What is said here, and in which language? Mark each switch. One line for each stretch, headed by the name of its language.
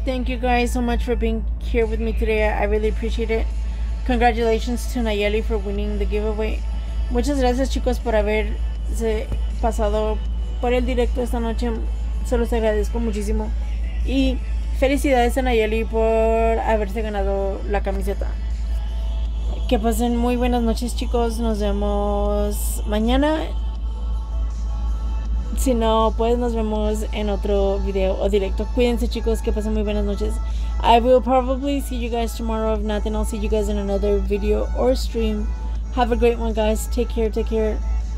English: Thank you guys so much for being here with me today. I really appreciate it. Congratulations to Nayeli for winning the giveaway.
Spanish: Muchas gracias, chicos, por haberse pasado por el directo esta noche. Se los agradezco muchísimo. Y felicidades a Nayeli por haberse ganado la camiseta. Que pasen muy buenas noches, chicos. Nos vemos mañana. Si no, pues nos vemos en otro video o directo. Cuídense, chicos. Que pasen muy buenas noches.
English: I will probably see you guys tomorrow. If not, then I'll see you guys in another video or stream. Have a great one, guys. Take care.